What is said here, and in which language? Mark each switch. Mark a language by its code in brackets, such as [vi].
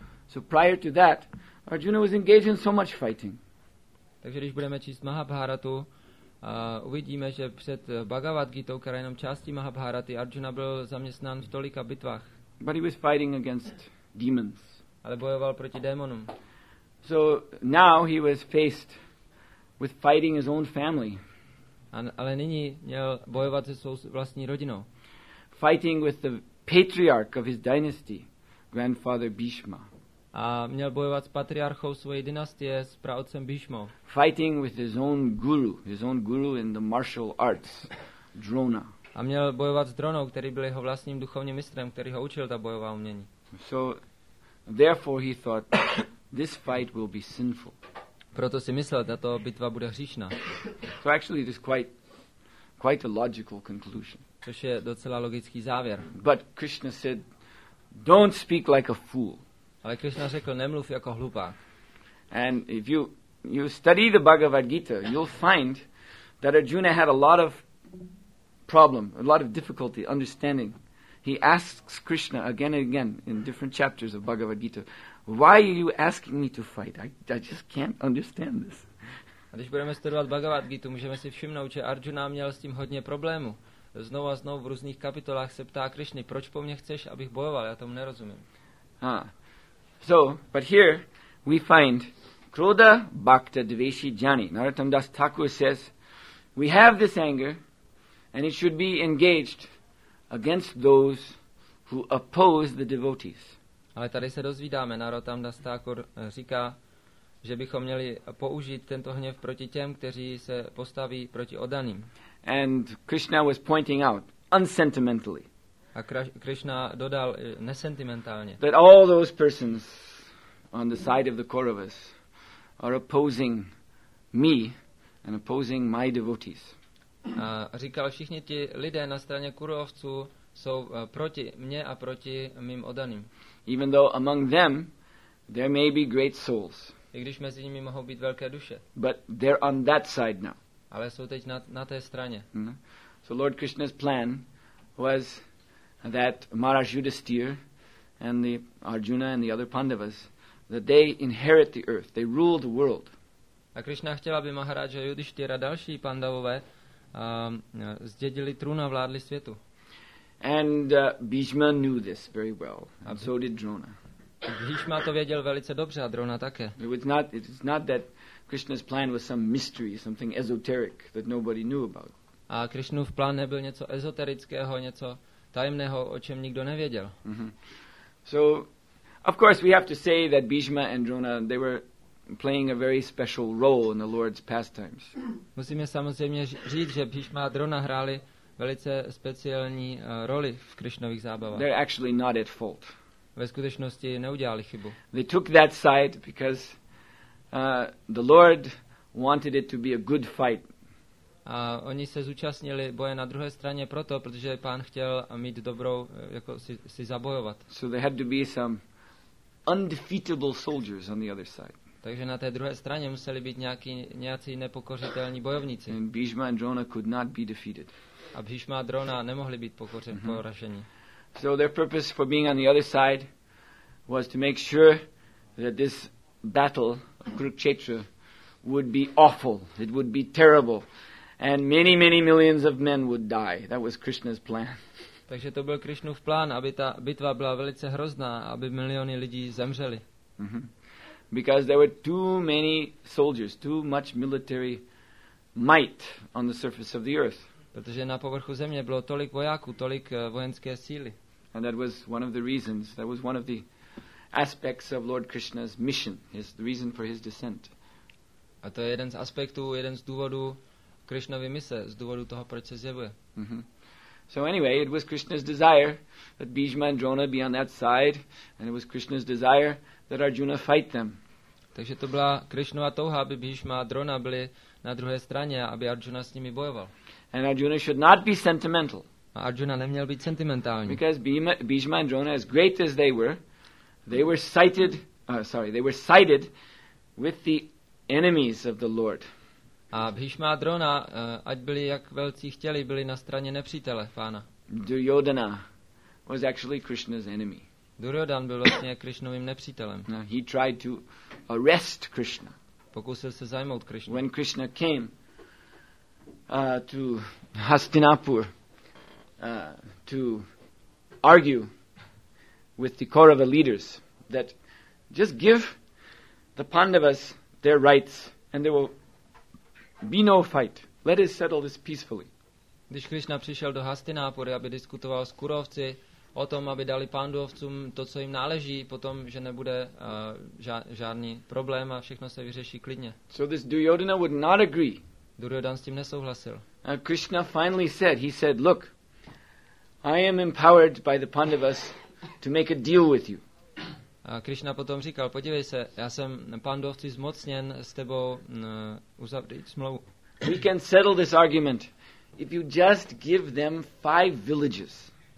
[en] So prior to that, Arjuna was engaged in so much fighting. [cs] Takže když budeme číst Mahabharatu, uvidíme, že před Bhagavad Gitou, která je jenom částí Mahabharaty, Arjuna byl zaměstnán v tolika bitvách. [en] But he was fighting against demons. [cs] Ale bojoval proti démonům. [en] So now he was faced with fighting his own family. [cs] Ale nyní měl bojovat se svou vlastní rodinou. [en] Fighting with the patriarch of his dynasty, grandfather Bhishma. [cs] A měl bojovat s patriarchou své dynastie, s praotcem Bhishmou. [en] Fighting with his own guru in the martial arts, Drona. [cs] A měl bojovat s Dronou, který byl jeho vlastním duchovním mistrem, který ho učil ta bojová umění. [en] So therefore he thought this fight will be sinful. [cs] Proto si myslel, že tato bitva bude hříšná. [en] So actually this quite a logical conclusion. [cs] Což je docela logický závěr. [en] But Krishna said, don't speak like a fool. [cs] Ale Krishna řekl, nemluv jako hlupák. [en] And if you study the Bhagavad Gita, you'll find that Arjuna had a lot of difficulty understanding. He asks Krishna again and again in different chapters of Bhagavad Gita, why are you asking me to fight? I just can't understand this. [cs] A když budeme studovat Bhagavad Gitu, můžeme si všimnout, že Arjuna měl s tím hodně problémů. Znovu a znovu v různých kapitolách se ptá Krišny, proč po mně chceš, abych bojoval? Já tomu nerozumím. [en] So, but here we find Krodha Bhakta Dveshi Jani. Narottam Das Thakur says, we have this anger and it should be engaged against those who oppose the devotees. [cs] Ale tady se dozvídáme, Narottam Das Thakur říká, že bychom měli použít tento hněv proti těm, kteří se postaví proti oddaným. [en] And Krishna was pointing out unsentimentally. [cs] A Krishna dodal nesentimentálně. [en] That all those persons on the side of the Kauravas are opposing me and opposing my devotees. [cs] A říkal, všichni ti lidé na straně Kurovců jsou proti mně a proti mým oddaným. [en] Even though among them there may be great souls. [cs] I když mezi nimi mohou být velké duše. [en] But they're on that side now. [cs] Ale jsou teď na té straně. [en] So Lord Krishna's plan was that Maharaj Yudhisthira and the Arjuna and the other Pandavas, that they inherit the earth, they rule the world. [cs] A Krishna chtěla, aby Maharaj Yudhisthira a další Pandavové zdědili trůn a vládli světu. [en] And Bhishma knew this very well, and so did Drona. [cs] Bhishma to věděl velice dobře a Drona také. [en] It's not that Krishna's plan was some mystery, something esoteric that nobody knew about. [cs] A Krishnův plán nebyl něco ezoterického, něco tajemného, o čem nikdo nevěděl. [en] So of course we have to say that Bhishma and Drona, they were playing a very special role in the Lord's pastimes. [cs] Musíme samozřejmě říct, že Bhishma a Drona hráli velice speciální roli v Krishnových zábavách. [en] They're actually not at fault. [cs] Ve skutečnosti neudělali chybu. [en] They took that side because the Lord wanted it to be a good fight. [cs] A oni se zúčastnili boje na druhé straně proto, protože pán chtěl mít dobrou, jako si zabojovat. [en] So there had to be some undefeatable soldiers on the other side. [cs] Takže na té druhé straně museli být nějací nepokořitelní bojovníci. [en] And Bhishma and Drona could not be defeated. [cs] A Bhishma a Drona nemohli být poraženi. [en] So their purpose for being on the other side was to make sure that this battle Kurukshetra would be awful. It would be terrible. And many, many millions of men would die. That was Krishna's plan. [cs] Takže to byl Krišnův plán, aby ta bitva byla velice hrozná, aby miliony lidí zemřeli. [en] Because there were too many soldiers, too much military might on the surface of the earth. [cs] Protože na povrchu země bylo tolik vojáků, tolik vojenské síly. [en] And that was one of the reasons, that was one of the aspects of Lord Krishna's mission, his the reason for his descent. [cs] A to je jeden z aspektů, jeden z důvodů Krišnovy mise, z důvodu toho, proč se zjevuje. [en] So anyway, it was Krishna's desire that Bhishma and Drona be on that side, and it was Krishna's desire that Arjuna fight them. [cs] Takže to byla Krišnova touha, aby Bhishma a Drona byli na druhé straně, aby Arjuna s nimi bojoval. [en] And Arjuna should not be sentimental. [cs] A Arjuna neměl být sentimentální. [en] Because Bhishma and Drona, as great as they were sighted with the enemies of the Lord. [cs] A Bhishma a Drona, ať byli jak velcí chtěli, byli na straně nepřítele pána. [en] Duryodhana was actually Krishna's enemy. [cs] Duryodhan byl vlastně Krišnovým nepřítelem. [en] He tried to arrest Krishna. [cs] Pokusil se zajmout Krišnu. [en] When Krishna came to Hastinapur to argue with the Kaurava leaders that just give the Pandavas their rights and they will be no fight. Let us settle this peacefully. [cs] Když Krišna přišel do Hastinapury, aby diskutoval s Kurovci o tom, aby dali Pandovcům to, co jim náleží, potom, že nebude žádný problém a všechno se vyřeší klidně. [en] So this Duryodhana would not agree. [cs] Duryodhan s tím nesouhlasil. [en] And Krishna finally said, he said, look, I am empowered by the Pandavas to make a deal with you. [cs] A Krišna potom říkal, podívej se, já jsem Pandovci zmocněn s tebou uzavřít smlouvu. [en] We can settle this argument if you just give them 5 villages.